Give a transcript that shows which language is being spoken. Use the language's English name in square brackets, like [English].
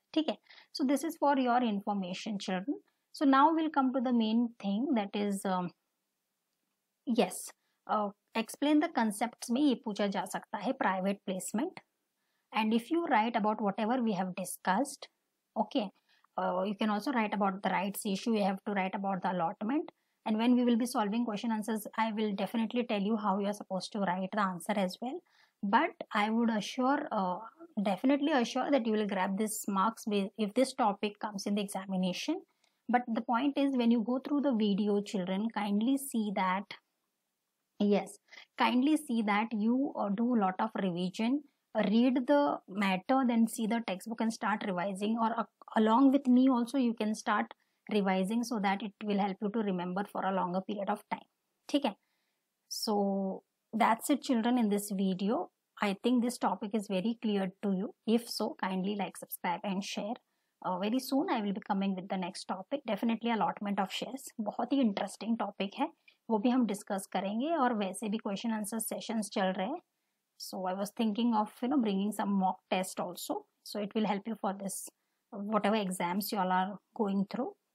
[English] ठीक है, so this is for your information children. So now we'll come to the main thing, that is yes explain the concepts [Hindi] में ये पूछा जा सकता है [English] Private placement, and if you write about whatever we have discussed. Okay, you can also write about the rights issue, you have to write about the allotment, and when we will be solving question answers I will definitely tell you how you are supposed to write the answer as well, but I would assure definitely assure that you will grab this marks if this topic comes in the examination. But the point is, when you go through the video children, kindly see that you do a lot of revision. Read the matter, then see the textbook and start revising, or along with me also you can start revising so that it will help you to remember for a longer period of time. [Hindi] Theek hai? [English] So that's it children in this video. I think this topic is very clear to you. If so kindly like subscribe and share. Very soon I will be coming with the next topic. [Hindi] Definitely allotment of shares बहुत ही interesting topic है, वो भी हम discuss करेंगे. और वैसे भी question answer sessions चल रहे हैं, [English] So I was thinking of you know bringing some mock test also, so it will help you for this whatever exams you all are going through.